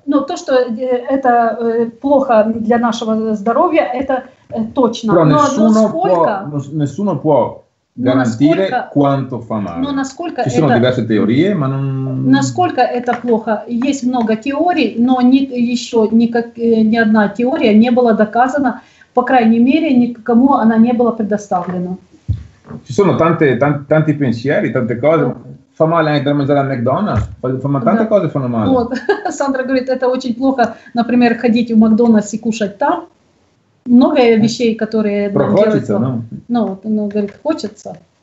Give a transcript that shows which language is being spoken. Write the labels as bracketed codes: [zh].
[ru] Ну, то, что это плохо для нашего здоровья, это точно. [it] Però nessuno può [ru] гарантировать, [it] quanto fa male. [ru] Но насколько [it] ci sono diverse teorie, ma non... [ru] Насколько это плохо? Есть много теорий, но ни одна теория не была доказана, по крайней мере, никому она не была предоставлена. [it] Ci sono tanti pensieri, tante cose. Fa male anche da mangiare al McDonald's? Tante cose fanno male. [ru] Вот. Сандра говорит, это очень плохо, например, ходить в Макдональдс и кушать там. много вещей, которые хочется, но... Ну, вот оно говорит, хочется.